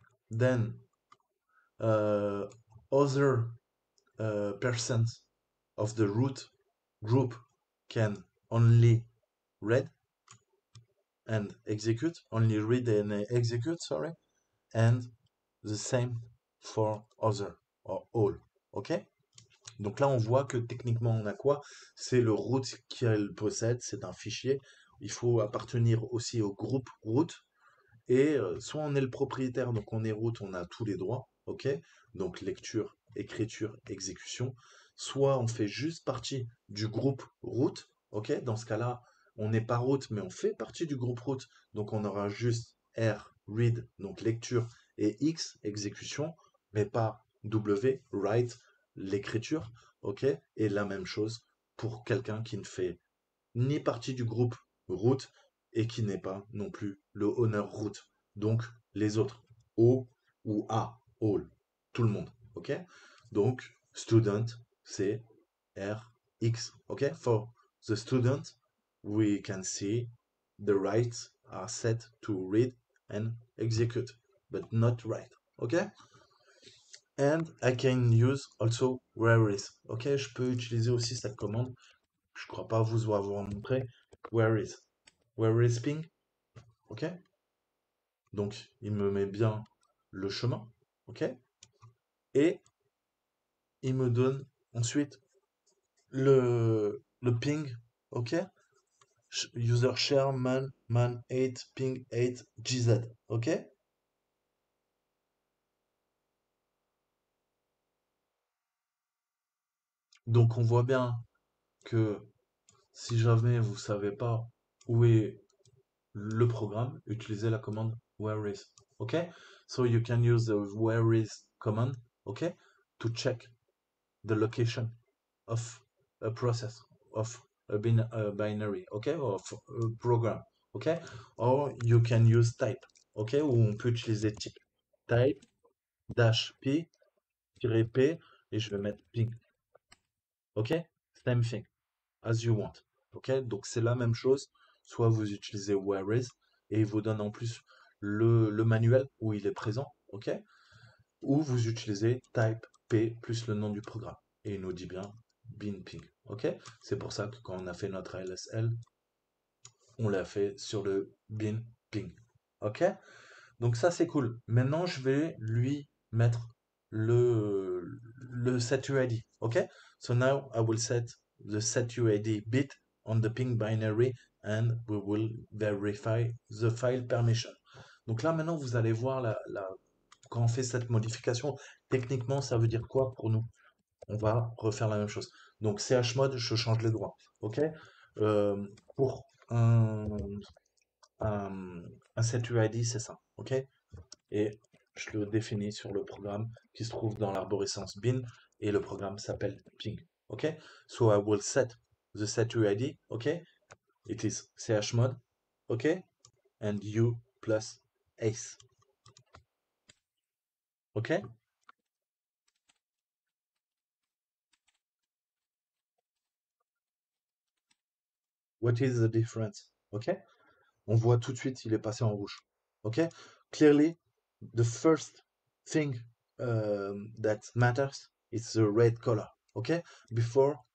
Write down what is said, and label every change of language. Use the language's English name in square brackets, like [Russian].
[English] Then, other persons of the root group can only read and execute, only read and execute, sorry, and the same for other or all. OK? [French] Donc là, on voit que techniquement, on a quoi? C'est le root qu'elle possède, c'est un fichier. Il faut appartenir aussi au groupe root. Et soit on est le propriétaire, donc on est root, on a tous les droits. OK? Donc lecture, écriture, exécution. Soit on fait juste partie du groupe root. OK? Dans ce cas-là, on n'est pas root, mais on fait partie du groupe root. Donc on aura juste R, read, donc lecture, et X, exécution, mais pas W, write, l'écriture. OK? Et la même chose pour quelqu'un qui ne fait ni partie du groupe root et qui n'est pas non plus le owner root. Donc les autres, O ou A, all, tout le monde. OK? Donc student, c'est R, X. OK? [English] For the student, we can see the rights are set to read and execute, but not write. OK? And I can use also where is. OK? [French] Je peux utiliser aussi cette commande. Je crois pas vous avoir montré. Where is. Where is ping? OK? Donc, il me met bien le chemin. OK? Et il me donne ensuite le ping. OK? User share man 8 ping 8 gz. OK? Donc on voit bien que si jamais vous ne savez pas où est le programme, utilisez la commande where is. OK? [English] So you can use the where is command, OK? To check the location of a process of binary, OK, of program, OK, or you can use type, OK, [French] ou on peut utiliser type, type, dash, p, tiret p, et je vais mettre ping, OK, [English] same thing, as you want, [French] OK, donc c'est la même chose, soit vous utilisez where is, et il vous donne en plus le manuel où il est présent, OK, ou vous utilisez type, p, plus le nom du programme, et il nous dit bien, bin ping. Ok, c'est pour ça que quand on a fait notre LSL, on l'a fait sur le bin ping. Ok, donc ça c'est cool. Maintenant je vais lui mettre le setuid. [English] Ok, so now I will set the setuid bit on the ping binary and we will verify the file permission. [French] Donc là maintenant vous allez voir quand on fait cette modification, techniquement ça veut dire quoi pour nous? On va refaire la même chose. Donc chmod, je change les droits. OK? Pour un setuid, c'est ça. OK? Et je le définis sur le programme qui se trouve dans l'arborescence bin et le programme s'appelle ping. [English] OK? So I will set the setuid. OK? It is chmod. OK? And u plus ace. OK? What is the difference? OK? [French] On voit tout de suite, il est passé en rouge. OK? [English] Clearly, the first thing that matters is the red color. OK? Before,